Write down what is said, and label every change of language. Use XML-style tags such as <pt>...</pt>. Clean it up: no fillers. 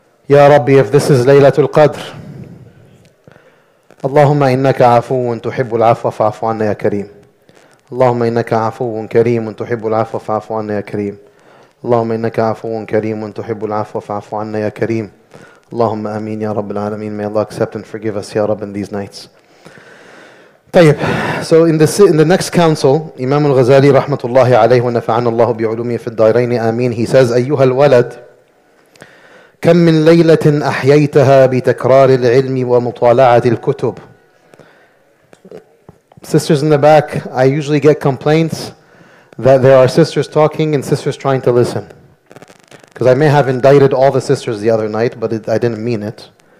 <ar>يا ربي,</ar> <en>if this is</en> <ar>ليلة القدر, اللهم إنك عفو تحب العفو فاعف عنا يا كريم. اللهم إنك عفو كريم تحب العفو فاعف عنا يا كريم. اللهم إنك عفو كريم تحب العفو فاعف عنا يا كريم. اللهم آمين يا رب العالمين.</ar> <en>May Allah accept and forgive us يا رب in these nights.</en> <ar>طيب,</ar> <en>so in the next council,</en> <ar>Imam al-Ghazali رحمة الله عليه ونفعنا الله بعلومه في الدارين آمين, he says, أيها الولد, كم من ليلة أحييتها بتكرار العلم ومطالعة الكتب.</ar> <en>Sisters in the back, I usually get complaints that there are sisters talking and sisters trying to listen. Because I may have indicted all the sisters the other night, but I didn't mean it.</en>